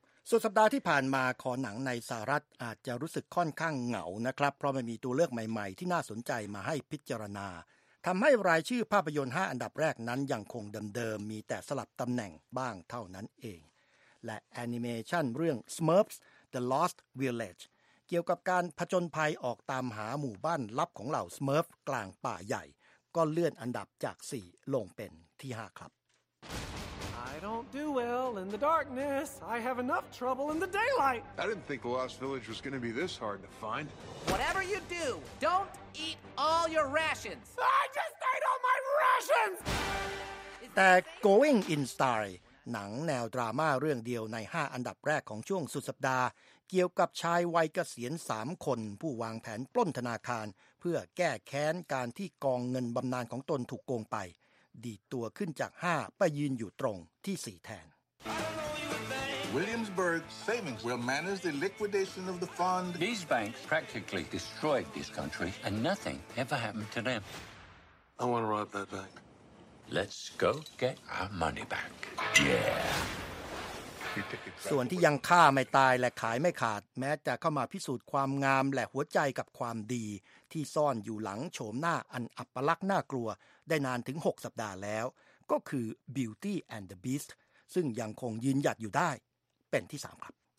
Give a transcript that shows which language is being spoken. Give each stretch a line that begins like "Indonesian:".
Thai: สุดสัปดาห์ที่ผ่านมาขอหนังในสหรัฐอาจจะรู้สึกค่อนข้างเหงานะครับเพราะไม่มีตัวเลือกใหม่ๆที่น่าสนใจมาให้พิจารณาทำให้รายชื่อภาพยนตร์5อันดับแรกนั้นยังคงเดิมๆมีแต่สลับตำแหน่งบ้างเท่านั้นเองและแอนิเมชันเรื่อง Smurfs The Lost Village เกี่ยวกับการผจญภัยออกตามหาหมู่บ้านลับของเหล่า Smurf กลางป่าใหญ่ก็เลื่อนอันดับจาก4ลงเป็นที่5ครับ
English: I don't do well in the darkness. I have enough trouble in the daylight. I didn't think the Lost Village was going to be this hard to find. Whatever you do, don't eat all your rations. I just ate all my rations!
Thai: แต่ Going in Style หนังแนวดราม่าเรื่องเดียวใน5อันดับแรกของช่วงสุดสัปดาห์เกี่ยวกับชายวัยเกษียณ3คนผู้วางแผนปล้นธนาคารเพื่อแก้แค้นการที่กองเงินบำนาญของตนถูกโกงไปดีดตัวขึ้นจาก5ไปยืนอยู่ตรงที่4แทน
English: Williamsburg Savings will manage the liquidation of the fund. These banks practically destroyed this country, and nothing ever happened to them. I want to rob that bank. Let's go get our money back. Yeah.
Thai: ส่วนที่ยังฆ่าไม่ตายและขายไม่ขาดแม้จะเข้ามาพิสูจน์ความงามและหัวใจกับความดีที่ซ่อนอยู่หลังโฉมหน้าอันอัปลักษณ์น่ากลัวได้นานถึง6สัปดาห์แล้วก็คือ Beauty and the Beast ซึ่งยังคงยืนหยัดอยู่ได้เป็นที่3ครับ